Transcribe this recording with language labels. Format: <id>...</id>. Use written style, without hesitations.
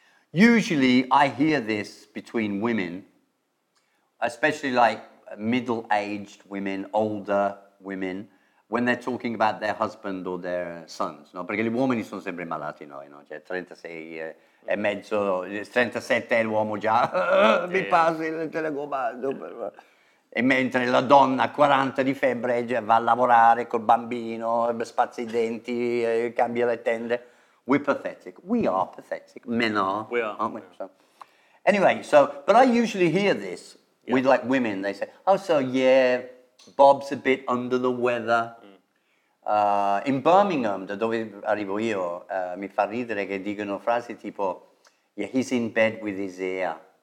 <en>Usually I hear this between women, especially like middle-aged women, older women, when they're talking about their husband or their sons, no?</en> <it>Perché gli uomini sono sempre malati noi, no? Cioè 36 e mezzo, 37 è l'uomo già, mi passi il telecomando. E mentre la donna a 40 di febbre già va a lavorare col bambino, spazza i denti, cambia le tende.</it> <en>We're pathetic. We are pathetic. Men are. We are. Aren't we? So, anyway, so, but I usually hear this with like women. They say, oh, so yeah, Bob's a bit under the weather.</en> <it>In Birmingham, da dove arrivo io, mi fa ridere che dicono frasi tipo</it> <en>yeah, he's in bed with his ear.</en>